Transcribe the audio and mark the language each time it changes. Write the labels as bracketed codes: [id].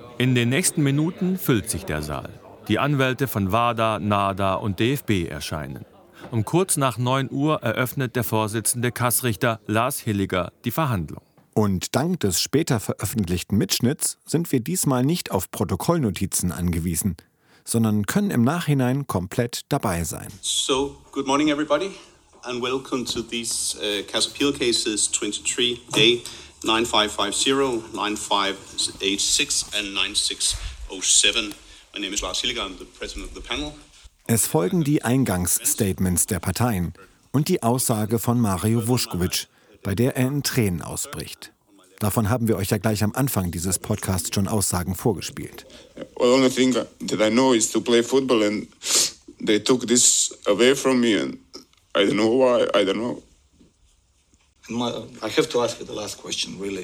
[de] In den nächsten Minuten füllt sich der Saal. Die Anwälte von WADA, NADA und DFB erscheinen. Um kurz nach 9 Uhr eröffnet der Vorsitzende Kassrichter Lars Hilliger die Verhandlung. Und dank des später veröffentlichten Mitschnitts sind wir diesmal nicht auf Protokollnotizen angewiesen, sondern können im Nachhinein komplett dabei sein. [en] So, good morning everybody and welcome to these Cass Appeal Cases 23, Day 9550, 9586 and 9607. My name is Lars Hilliger, I'm the president of the panel. [de] Es folgen die Eingangsstatements der Parteien und die Aussage von Mario Vuskovic, bei der er in Tränen ausbricht. Davon haben wir euch ja gleich am Anfang dieses Podcasts schon Aussagen vorgespielt. [en] The only thing that I know is to play football and they took this away from me and I don't know why, I don't know. I have to ask you the last question, really.